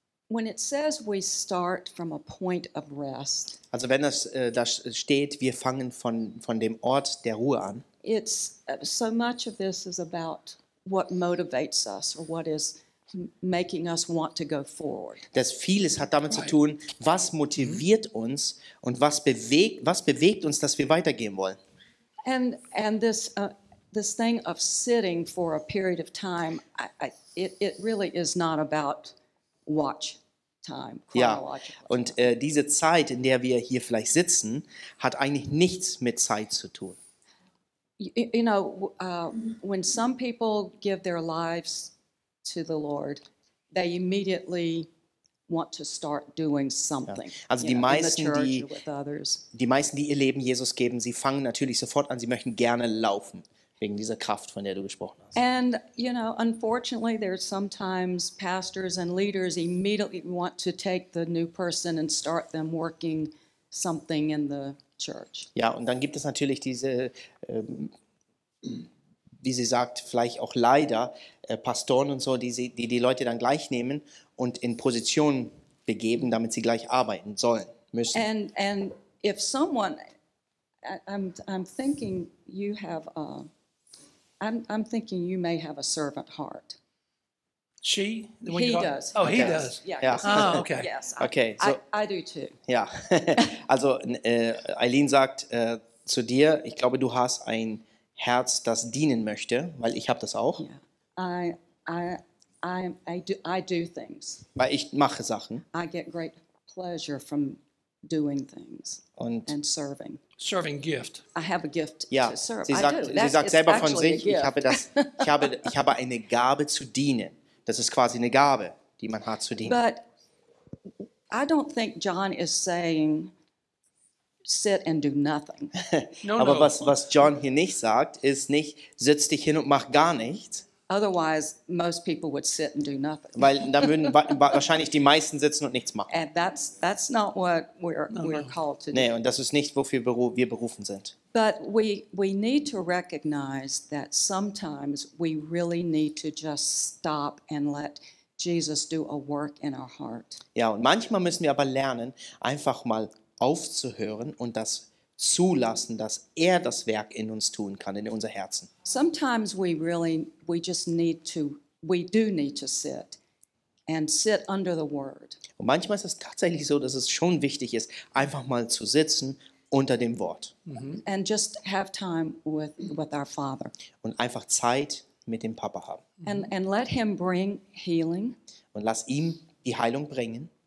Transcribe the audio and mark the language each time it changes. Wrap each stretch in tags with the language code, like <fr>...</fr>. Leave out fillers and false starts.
<en>When it says we start from a point of rest.</en> <de>Also wenn das das steht, wir fangen von dem Ort der Ruhe an.</de> <en>It's so much of this is about what motivates us or what is. Making us want to go forward.</en> <de>Das vieles hat damit zu tun, was motiviert uns und was bewegt uns, dass wir weitergehen wollen.</de> <en>And this thing of sitting for a period of time, it really is not about watch time, chronological. Ja.</en> <de>Und diese Zeit, in der wir hier vielleicht sitzen, hat eigentlich nichts mit Zeit zu tun.</de> <en>You know, when some people give their lives to the Lord, they immediately want to start doing something. Ja.</en> <de>Also die meisten, die ihr Leben Jesus geben, sie fangen natürlich sofort an, sie möchten gerne laufen, wegen dieser Kraft, von der du gesprochen hast.</de> <en>And you know, unfortunately, there's sometimes pastors and leaders immediately want to take the new person and start them working something in the church.</en> <de>Ja, und dann gibt es natürlich diese, wie sie sagt, vielleicht auch leider Pastoren und so, die Leute dann gleich nehmen und in Position begeben, damit sie gleich arbeiten sollen, müssen.</de> <en>And if someone, I'm thinking you have a, I'm thinking you may have a servant heart. She? The one he does. Oh, he does. Yeah. Oh, okay. Yes. Okay. So, I do too. Ja.</en> <de>Also Eileen sagt zu dir, ich glaube, du hast ein Herz, das dienen möchte, weil ich habe das auch.</de> <en>Yeah. I do things.</en> <de>Weil ich mache Sachen.</de> <en>I get great pleasure from doing things and serving. Serving gift. I have a gift ja, to serve.</en> <de>Sie sagt,</de> <en>I do.</en> <de>Sie sagt selber von sich, ich habe eine Gabe zu dienen. Das ist quasi eine Gabe, die man hat zu dienen.</de> <en>But I don't think John is saying sit and do nothing. No,</en> <de>aber</de> <en>no.</en> <de>Was John hier nicht sagt, ist nicht sitz dich hin und mach gar nichts.</de> <en>Otherwise, most people would sit and do nothing.</en> <de>Weil dann würden wahrscheinlich die meisten sitzen und nichts machen.</de> <en>And that's not what we're called to do.</en> <de>Nee, und das ist nicht, wofür wir berufen sind.</de> <en>But we need to recognize that sometimes we really need to just stop and let Jesus do a work in our heart.</en> <de>Ja, und manchmal müssen wir aber lernen, einfach mal aufzuhören und das zulassen, dass das Werk in uns tun kann, in unser Herzen.</de> <en>Sometimes we do need to sit and sit under the word.</en> <de>Und manchmal ist es tatsächlich so, dass es schon wichtig ist, einfach mal zu sitzen unter dem Wort.</de> <en>Mm-hmm. And just have time with our Father.</en> <de>Und einfach Zeit mit dem Papa haben.</de> <en>Mm-hmm. And let him bring healing.</en> <de>Und lass ihm die Heilung bringen.</de>